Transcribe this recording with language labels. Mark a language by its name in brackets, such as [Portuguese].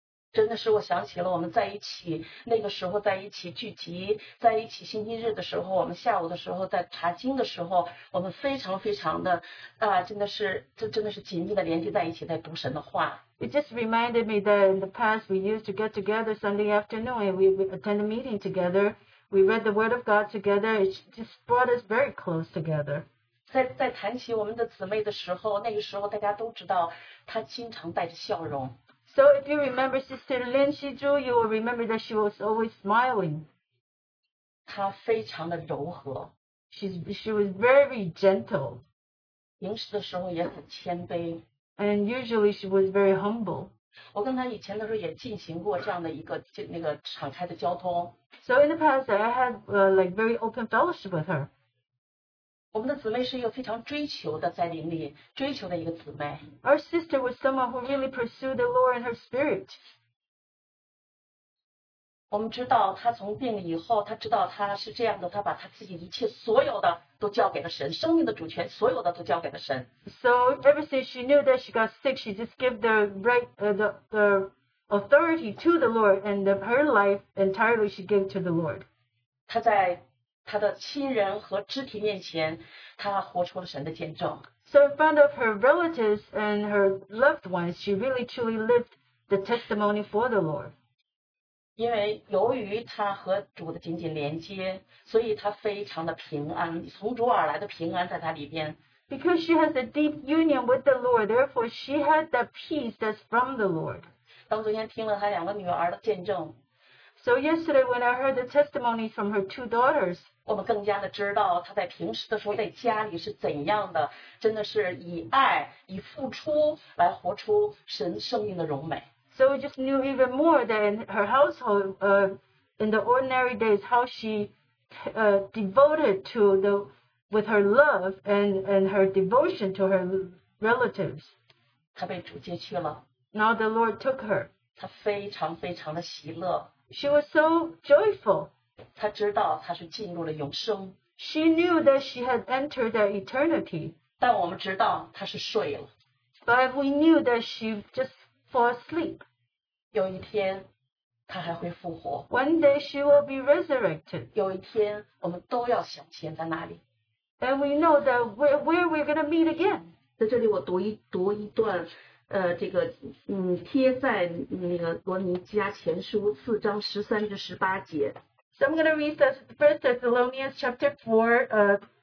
[Chinese] 真的是我想起了我们在一起，那个时候在一起聚集，在一起星期日的时候，我们下午的时候在查经的时候，我们非常非常的，真的是紧密的连接在一起，在读神的话。 [English] It just reminded me that in the past we used to get together Sunday afternoon and we attend a meeting together. We read the word of God together. It just brought us very close together. [Chinese] 在谈起我们的姊妹的时候，那个时候大家都知道她经常带着笑容。 [English] So if you remember Sister Lin Xi Zhu, you will remember that she was always smiling. [Chinese] 她非常的柔和。 [English] She was very gentle. [Chinese] 平时的时候也很谦卑。 [English] And usually she was very humble. [Chinese] 我跟他以前的时候也进行过这样的一个那个敞开的交通。 [English] So in the past, I had like very open fellowship with her. [Chinese] 我们的姊妹是一个非常追求的，在灵里追求的一个姊妹。 [English] Our sister was someone who really pursued the Lord in her spirit. [Chinese] 我们知道她从病了以后，她知道她是这样的，她把她自己一切所有的都交给了神，生命的主权，所有的都交给了神。 [English] So ever since she knew that she got sick, she just gave the right, the authority to the Lord, and her life entirely she gave to the Lord. [Chinese] 她在她的亲人和肢体面前，她活出了神的见证。 [English] So in front of her relatives and her loved ones, she really truly lived the testimony for the Lord. [Chinese] 因为由于他和主的紧紧连接，所以他非常的平安，从主而来的平安在他里边。 [English] Because she has a deep union with the Lord, therefore she had the peace that's from the Lord. [Chinese] 当昨天听了他两个女儿的见证 [English] ，So yesterday when I heard the testimony from her two daughters, [Chinese] 我们更加的知道他在平时的时候在家里是怎样的，真的是以爱以付出来活出神生命的荣美。 [English] So we just knew even more that in her household, in the ordinary days, how she devoted to the, with her love and her devotion to her relatives. [Chinese] 她被主接去了。 [English] Now the Lord took her. [Chinese] 她非常非常的喜乐。 [English] She was so joyful. [Chinese] 她知道她是进入了永生。 [English] She knew that she had entered the eternity. [Chinese] 但我们知道她是睡了。 [English] But we knew that she just fall asleep. [Chinese] 有一天他还会复活。 [English] One day she will be resurrected. [Chinese] 有一天我们都要相见在那里。 [English] And we know that where we're going to meet again. [Chinese] 在这里我读一段这个贴在那个罗尼加前书四章十三至十八节。 [English] So I'm going to read this first Thessalonians chapter 4,